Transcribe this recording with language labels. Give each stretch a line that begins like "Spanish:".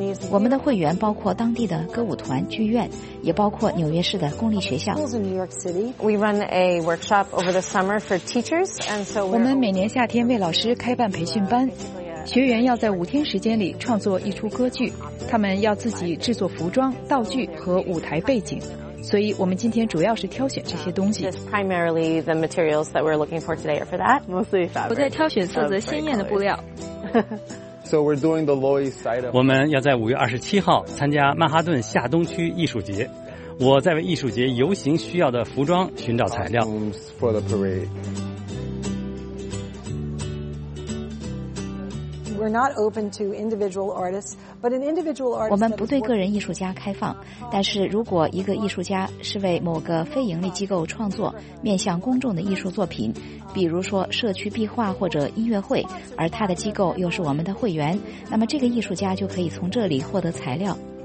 Chinese: 我们的会员包括当地的歌舞团、剧院，也包括纽约市的公立学校。
English: We run a workshop over the summer for teachers, and so
Chinese: 我们每年夏天为老师开办培训班。学员要在5天时间里创作一出歌剧，他们要自己制作服装、道具和舞台背景，所以我们今天主要是挑选这些东西。
English: Primarily the materials that we're looking for today are for that. Mostly fabric.
Chinese: 我在挑选色泽鲜艳的布料。
English: So we're doing the Lowy Side.
Chinese: 我们要在5月27号参加曼哈顿下东区艺术节。我在为艺术节游行需要的服装寻找材料。
English: For the parade. We're not open to individual artists, but an individual artist.
Chinese: 我们不对个人艺术家开放，但是如果一个艺术家是为某个非盈利机构创作面向公众的艺术作品，比如说社区壁画或者音乐会，而他的机构又是我们的会员，那么这个艺术家就可以从这里获得材料。